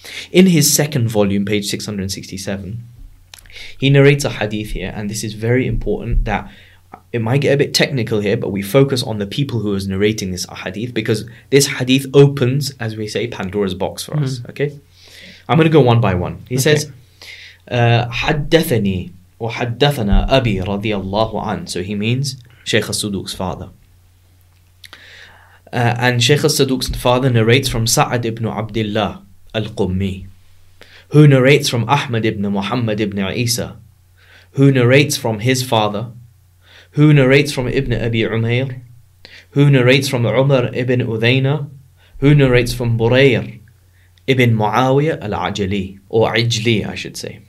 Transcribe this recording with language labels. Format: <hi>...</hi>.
<en>In his second volume, page 667, he narrates a hadith here, and this is very important that it might get a bit technical here, but we focus on the people who is narrating this hadith, because this hadith opens, as we say, Pandora's box for us. Okay, I'm going to go one by one. He says,</en> <ar>حدثني وحدثنا أبي رضي الله عنه.</ar> <en>So he means Shaykh al-Saduq's father. And Shaykh al-Saduq's father narrates from Sa'ad ibn Abdullah al-Qummi, who narrates from Ahmad ibn Muhammad ibn Isa, who narrates from his father, who narrates from Ibn Abi Umayr, who narrates from Umar ibn Uthayna, who narrates from Burayr ibn Muawiyah al-Ajli, or Ajli, I should say.</en>